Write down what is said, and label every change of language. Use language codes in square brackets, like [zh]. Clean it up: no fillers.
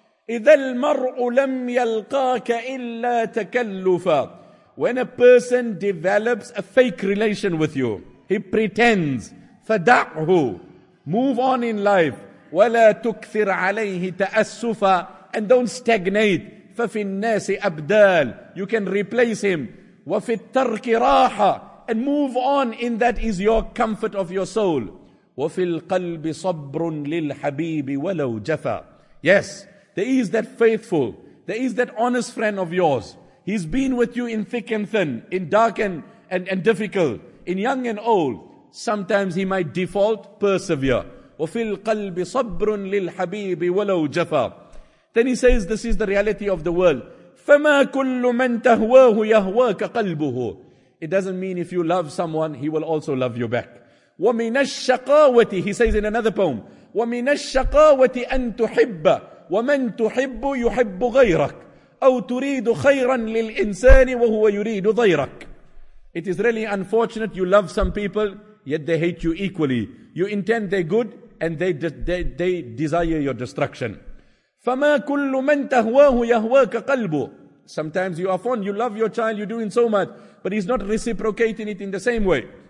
[ar] إذا المرء لم يلقاك إلا تكلفا. [en] When a person develops a fake relation with you, he pretends. [ar] فدعه. [en] Move on in life. [ar] وَلَا تُكْثِرْ عَلَيْهِ تَأَسُّفًا. [en] And don't stagnate. [ar] فَفِي النَّاسِ أَبْدَالٍ. [en] You can replace him. [ar] وَفِي التَّرْكِ رَاحَةٍ. [en] And move on in that is your comfort of your soul. [ar] وَفِي الْقَلْبِ صَبْرٌ لِلْحَبِيبِ وَلَوْ جَفَى. [en] Yes, there is that faithful. There is that honest friend of yours. He's been with you in thick and thin, in dark and difficult, in young and old. Sometimes he might default, persevere. [ar] وَفِي الْقَلْبِ صَبْرٌ لِلْحَبِيبِ وَلَوْ جَفَى. [en] Then he says, this is the reality of the world. [ar] فَمَا كُلُّ مَنْ تَهْوَاهُ يَهْوَاكَ قَلْبُهُ. [en] It doesn't mean if you love someone, he will also love you back. [ar] وَمِنَ الشَّقَاوَةِ, [en] he says in another poem, [ar] وَمِنَ الشَّقَاوَةِ أَن تُحِبَّ وَمَنْ تُحِبُّ يُحِبُّ غَيْرَكَ أَوْ تُرِيدُ خَيْرًا لِلْإِنسَانِ وَهُوَ يُرِيدُ ضَيْرَكَ. [en] It is really unfortunate you love some people, yet they hate you equally. You intend their good, and they desire your destruction. [ar] فَمَا كُلُّ مَنْ تَهْوَاهُ يَهْوَاكَ قَلْبُ. [en] Sometimes you are fond, you love your child, you're doing so much, but he's not reciprocating it in the same way.